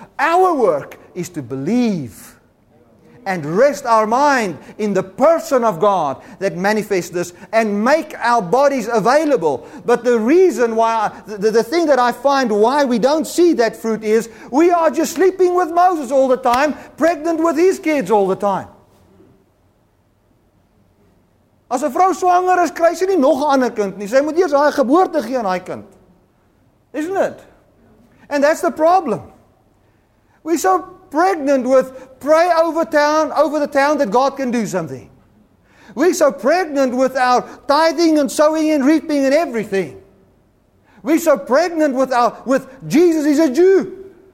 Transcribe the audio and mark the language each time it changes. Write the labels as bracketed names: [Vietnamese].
[English] Our work is to believe and rest our mind in the person of God that manifests this, and make our bodies available. But the reason why, the thing that I find why we don't see that fruit is, we are just sleeping with Moses all the time, pregnant with his kids all the time. [Afrikaans] As a vrou swanger is, kry sy nie nog 'n ander kind nie. Sy moet eers haar geboorte gee aan haar kind. [English] Isn't it? And that's the problem. We so pregnant with pray over the town that God can do something. We're so pregnant with our tithing and sowing and reaping and everything. We're so pregnant with Jesus is a Jew.